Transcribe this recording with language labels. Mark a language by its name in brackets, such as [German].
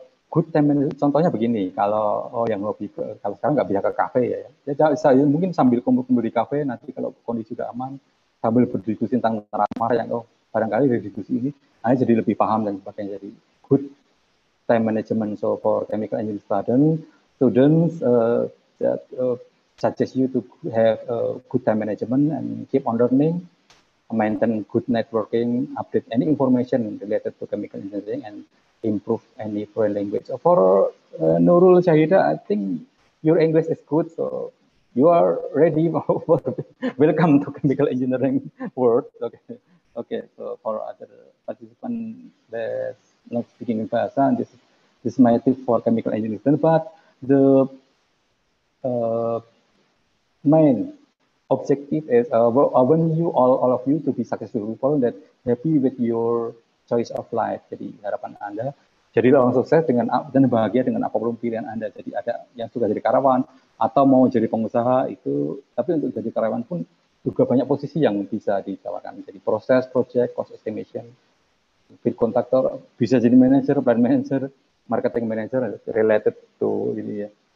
[English] Good time, [Indonesian] contohnya begini, kalau sekarang nggak bisa ke kafe ya, mungkin sambil kumpul-kumpul di kafe nanti kalau kondisi sudah aman sambil berdiskusi tentang ramah yang barangkali dari diskusi ini akhirnya jadi lebih paham dan sebagainya. Jadi [English] good time management. So for chemical engineering students, that suggest you to have a good time management and keep on learning, maintain good networking, update any information related to chemical engineering, and improve any foreign language. For Nurul Syahida, I think your English is good, so you are ready for welcome to chemical engineering world. Okay. So for other participant, let's not speaking in Bahasa. This is my tip for chemical engineering. But the main objective is when you all of you to be successful, that happy with your choice of life. [Indonesian] Jadi harapan Anda, jadilah orang sukses dengan dan bahagia dengan apapun pilihan Anda. Jadi ada yang sudah jadi karyawan atau mau jadi pengusaha itu, tapi untuk jadi karyawan pun juga banyak posisi yang bisa ditawarkan. Jadi proses, project, cost estimation, field contractor, bisa jadi manager, brand manager, marketing manager, [English] related to [Indonesian] ini ya.